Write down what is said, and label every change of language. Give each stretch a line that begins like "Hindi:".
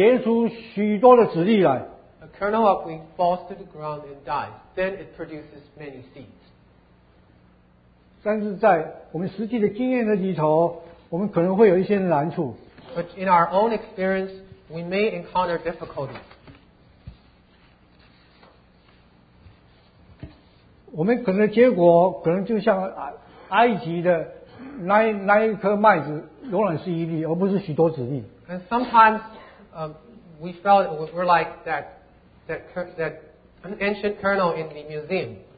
Chinese: 一麦子若死了，就结出许多的子粒来。
English: A kernel of wheat falls to the ground and dies, then it produces many seeds.
Chinese: 但是在我们实际的经验的里头，我们可能会有一些难处。
English: But in our own experience, we may encounter difficulties.
Chinese: 我们可能结果可能就像埃及的那一颗麦子，永远是一粒，而不是许多子粒。
English: And sometimes we felt we're like that ancient kernel in the museum.